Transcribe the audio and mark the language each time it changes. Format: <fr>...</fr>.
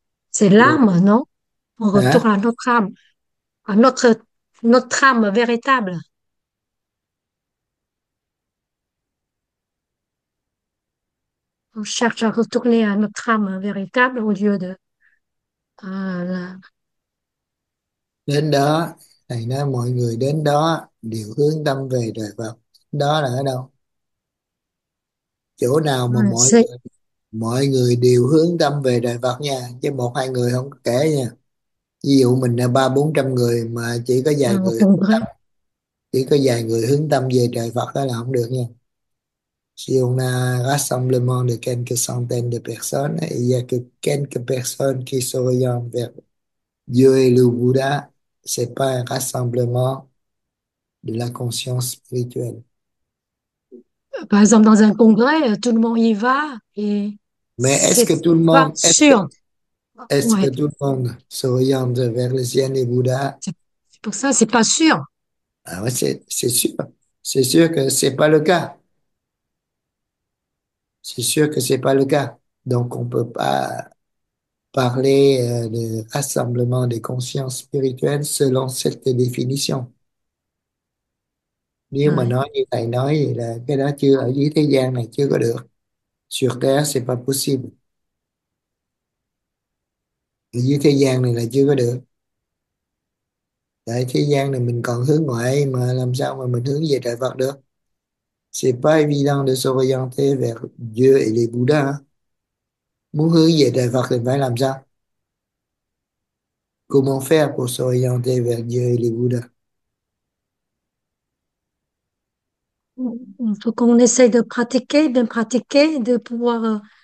<fr>C'est l'âme, non? On retourne Hả? à notre âme, à notre âme véritable. On cherche à retourner à notre âme véritable au lieu de</fr> <vi>Đến đó, thầy nói mọi người đến đó đều hướng tâm về trời Phật. Đó là ở đâu? Chỗ nào mà mọi người đều hướng tâm về trời Phật nha, chứ một hai người không có kể nha. Ví dụ mình là 300 400 người mà chỉ có vài người hướng tâm, chỉ có vài người hướng tâm về trời Phật đó là không được nha.</vi> <fr>Si on a rassemblement de quelques centaines de personnes, il y a que quelques personnes qui s'orientent vers Dieu et le Bouddha, c'est pas un rassemblement de la conscience spirituelle. Par exemple, dans un congrès, tout le monde y va et Mais c'est pas sûr. est-ce que tout le monde s'oriente vers le Zen et Bouddha? Pour ça, c'est pas sûr. Ah ouais, c'est sûr. C'est sûr que c'est pas le cas. C'est sûr que c'est pas le cas. Donc, on peut pas parler de rassemblement des consciences spirituelles selon cette définition.</fr> <vi>Nếu mà nói như thầy nói thì là cái đó chưa, ở dưới thế gian này chưa có được.</vi> <fr>Sur Terre, c'est pas possible.</fr> <vi>Ở dưới thế gian này là chưa có được. Tại thế gian này mình còn hướng ngoại mà làm sao mà mình hướng về trời Phật được.</vi> <fr>C'est pas évident de s'orienter vers Dieu et les Bouddhas. Hein? Comment faire pour s'orienter vers Dieu et les Bouddhas? Il faut qu'on essaye de pratiquer, bien pratiquer, de pouvoir</fr>